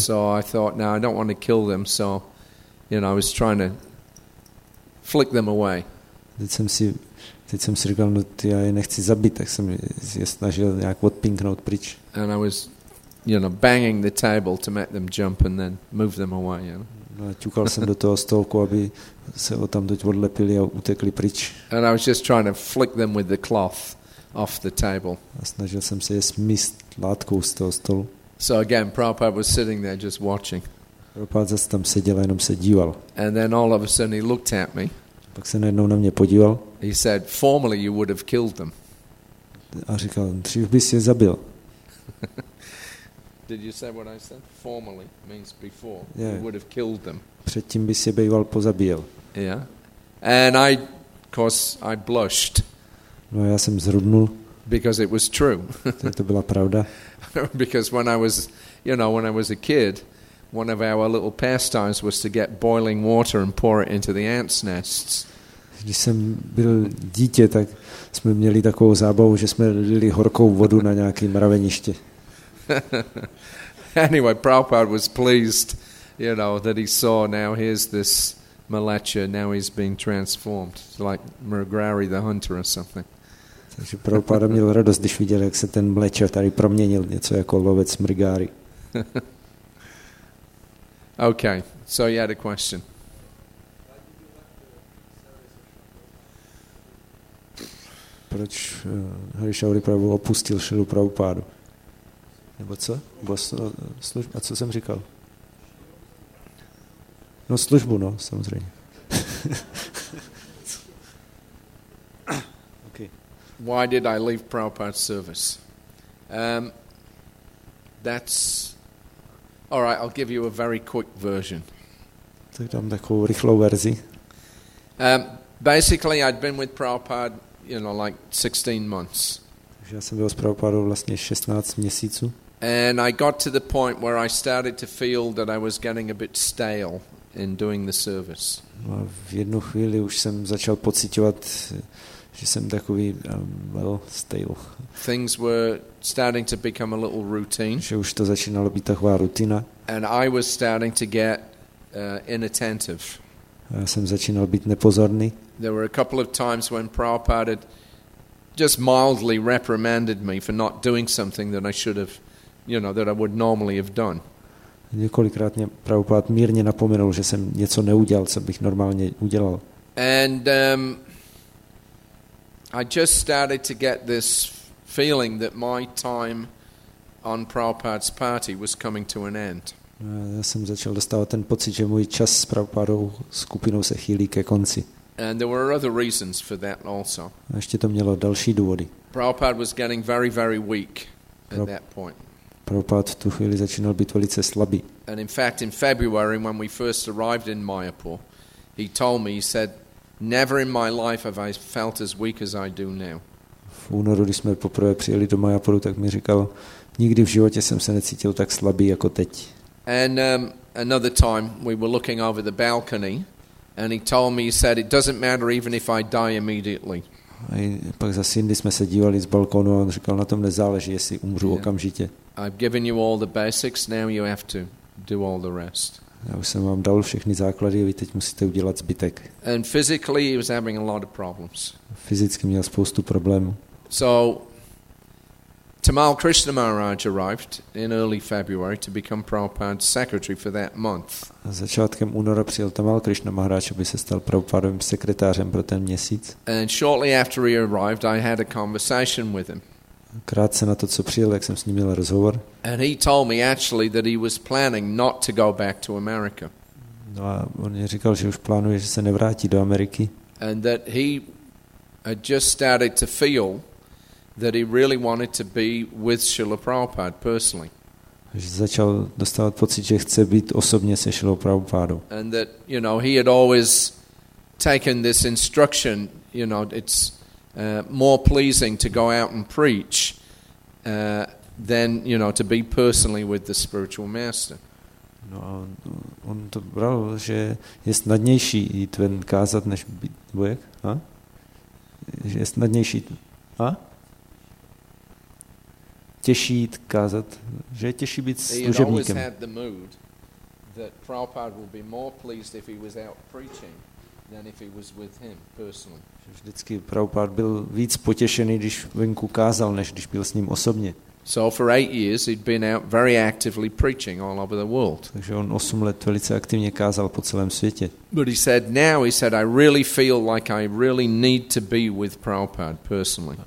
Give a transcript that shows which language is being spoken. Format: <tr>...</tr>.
<en>So I thought, no, I don't want to kill them, so you know, I was trying to flick them away.</en> <cs>Teď jsem si říkal, no, já je nechci zabít, tak jsem je snažil nějak odpinknout pryč.</cs> <en>And I was, you know, banging the table to make them jump and then move them away, you know.</en> <cs>No, ťukal jsem do toho stolku, aby se o tam doť odlepili a utekli pryč.</cs> <en>And I was just trying to flick them with the cloth off the table.</en> <cs>A snažil jsem se je smyst látkou z toho stolu.</cs> <en>So again, Prabhupada was sitting there just watching.</en> <cs>Prabhupada zase tam seděl a jenom se díval.</cs> <en>And then all of a sudden he looked at me.</en> <cs>Pak se najednou na mě podíval.</cs> <en>He said, formerly you would have killed them.</en> <cs>A říkal, dřív bys je zabil.</cs> <en>Did you say what I said? Formerly means before. Yeah. You would have killed them.</en> <cs>Předtím bys je býval pozabíjel.</cs> <en>Yeah. And I, of course, I blushed.</en> <cs>No, já jsem zrudnul.</cs> <en>Because it was true.</en> <cs>To byla pravda.</cs> <en>Because when I was, you know, when I was a kid, one of our little pastimes was to get boiling water and pour it into the ants' nests.</en> <cs>Když jsem byl dítě, tak jsme měli takovou zábavu, že jsme lili horkou vodu na nějaké mraveniště.</cs> <en>Anyway, Prabhupada was pleased, you know, that he saw now here's this Malacha, now he's being transformed. It's like Murugrari the hunter or something.</en> <cs>Takže Prabhupada měl radost, když viděl, jak se ten Malacha tady proměnil, něco jako lovec Murugrari.</cs> <en>Okay, so you had a question.</en> <cs>Proč Harishauri Prabhu opustil Šrilu Prabhupádu? Nebo co? A co jsem říkal? No službu, no, samozřejmě.</cs> <en>Okay. Why did I leave Prabhupada's service? That's all right, I'll give you a very quick version.</en> <cs>Tak dám takovou rychlou verzi.</cs> <en>Basically I'd been with Prabhupada, you know, like 16 months.</en> <cs>Takže já jsem byl s Prabhupádou vlastně 16 měsíců.</cs> <en>And I got to the point where I started to feel that I was getting a bit stale in doing the service.</en> <cs>A v jednu chvíli už jsem začal pocitovat, že jsem takový</cs> <en>well, stale. Things were starting to become a little routine.</en> <cs>Že už to začínalo být taková rutina.</cs> <en>And I was starting to get inattentive.</en> <cs>A jsem začínal být nepozorný.</cs> <en>There were a couple of times when Prabhupada just mildly reprimanded me for not doing something that I should have, you know, that I would normally have done.</en> <cs>Několikrát mě Prabhupád mírně napomenul, že jsem něco neudělal, co bych normálně udělal.</cs> <en>And I just started to get this feeling that my time on Prabhupád's party was coming to an end.</en> <cs>Já jsem začal dostávat ten pocit, že můj čas s Prabhupádou skupinou se chýlí ke konci.</cs> <en>And there were other reasons for that also.</en> <cs>A ještě to mělo další důvody.</cs> <en>Prabhupád was getting very, very weak at that point.</en> <cs>Prabhupád v tu chvíli začínal být velice slabý.</cs> <en>And in fact in February when we first arrived in Mayapur, he told me, he said, never in my life have I felt as weak as I do now.</en> <cs>V únoru, když jsme poprvé přijeli do Mayapuru, tak mi říkal, nikdy v životě jsem se necítil tak slabý jako teď.</cs> <en>And another time we were looking over the balcony and he told me, he said, it doesn't matter even if I die immediately.</en> <cs>A pak zase jindy jsme se dívali z balkonu a on říkal, na tom nezáleží, jestli umřu okamžitě.</cs> <en>I've given you all the basics, now you have to do all the rest.</en> <cs>Já už jsem vám dal všechny základy, vy teď musíte udělat zbytek.</cs> <en>And physically he was having a lot of problems.</en> <cs>Fyzicky měl spoustu problémů.</cs> <en>So Tamal Krishna Maharaj arrived in early February to become Prabhupada's secretary for that month.</en> <cs>A začátkem února přijel Tamal Krishna Maharaj, aby se stal Prabhupadovým sekretářem pro ten měsíc.</cs> <en>And shortly after he arrived, I had a conversation with him.</en> <cs>Krátce na to, co přijel, jak jsem s ním měl rozhovor.</cs> <en>And he told me actually that he was planning not to go back to America.</en> <cs>No a on mi říkal, že už plánuje, že se nevrátí do Ameriky.</cs> <en>And that he had just started to feel that he really wanted to be with Srila Prabhupada personally.</en> <cs>Že začal dostávat pocit, že chce být osobně se Srila Prabhupádou.</cs> <en>And that, you know, he had always taken this instruction, you know, it's more pleasing to go out and preach than, you know, to be personally with the spiritual master.</en> <cs>No a on to bral, že je snadnější jít ven kázat, než být, jak? A? Že je snadnější, a? Těžší jít kázat, že je těžší být služebníkem.</cs> <en>He had the mood that Prabhupada would be more pleased if he was out preaching than if he was with him personally.</en> <cs>Vždycky Prabhupada byl víc potěšený, když venku kázal, než když byl s ním osobně.</cs> <en>So for 8 years he'd been out very actively preaching all over the world.</en> <cs>Takže on 8 let velice aktivně kázal po celém světě.</cs> <en>But he said now, he said, I really feel like I really need to be with Prabhupada personally.</en>